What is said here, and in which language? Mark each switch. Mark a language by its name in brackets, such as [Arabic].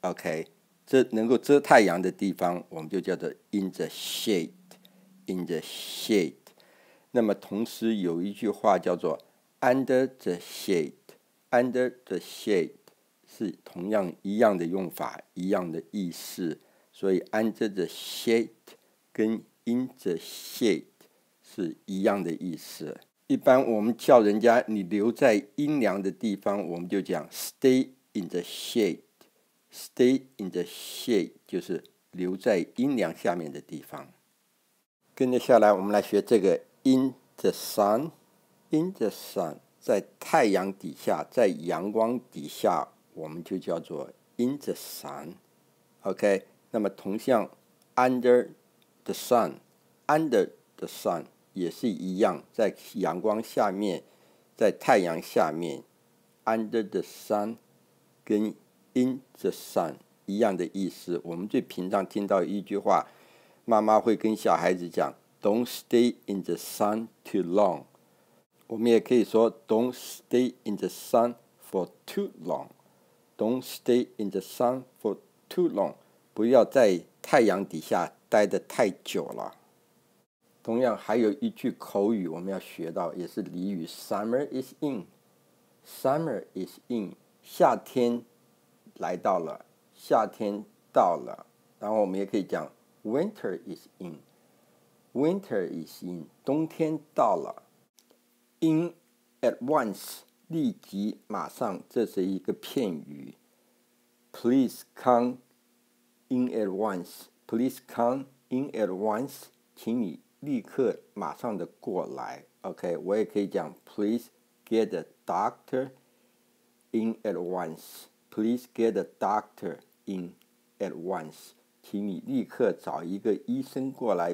[Chinese] OK， 这能够遮太阳的地方，我们就叫做 [English] in the shade， in the shade。 [Chinese] 那么同时有一句话叫做 under the shade， under the shade 是同样一样的用法，一样的意思。所以 under the shade 跟 in the shade 是一样的意思。一般我们叫人家你留在阴凉的地方，我们就讲 [English] stay in the shade， [Chinese] stay in the shade 就是留在阴凉下面的地方。跟着下来我们来学这个 in the sun， in the sun 在太阳底下，在阳光底下，我们就叫做 in the sun。 OK， 那么同样 under the sun， under the sun 也是一样，在阳光下面，在太阳下面， under the sun跟 in the sun 一样的意思。 [English] 我们最平常听到一句话，妈妈会跟小孩子讲 don't stay in the sun too long， 我们也可以说 don't stay in the sun for too long， don't stay in the sun for too long， [Chinese] 不要在太阳底下待得太久了。同样还有一句口语我们要学到，也是俚语， [English] summer is in， summer is in， [Chinese] 夏天来到了，夏天到了。 [English] 然后我们也可以讲 winter is in， winter is in， [Chinese] 冬天到了。 [English] in at once， [Chinese] 立即马上，这是一个片语。 [English] please come in at once， please come in at once， [Chinese] 请你立刻马上的过来。 [English] OK， 我也可以讲 please get a doctorIn at once， please get a doctor in at once， [Chinese] 请你立刻找一个医生过来。